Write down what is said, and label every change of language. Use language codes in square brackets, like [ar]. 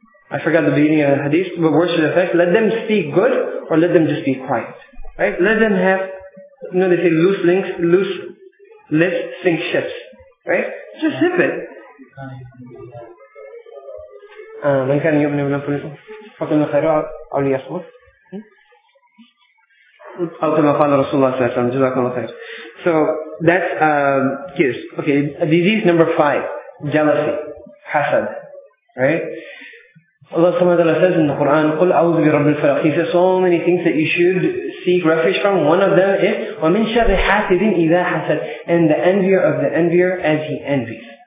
[en] I forgot the beginning of the hadith, but words to the effect, let them speak good, or let them just be quiet. Right? Let them have, you know, they say loose links, loose lips sink ships. Right? Just zip it. [ar] من كان يؤمن بالله فقل الخير أو ليصمت أو كما قال رسول الله صلى الله عليه وسلم جزاك الله خير. [en] So that's kids. Okay, disease number 5, jealousy, حسد. Right? Allah subhanahu wa ta'ala says in the Quran, [ar] قل أعوذ برب الفلق. [en] He says so many things that you should seek refuge from. One of them is [ar] ومن شر حاسد إذا حسد, [en] and the envier of the envier as he envies.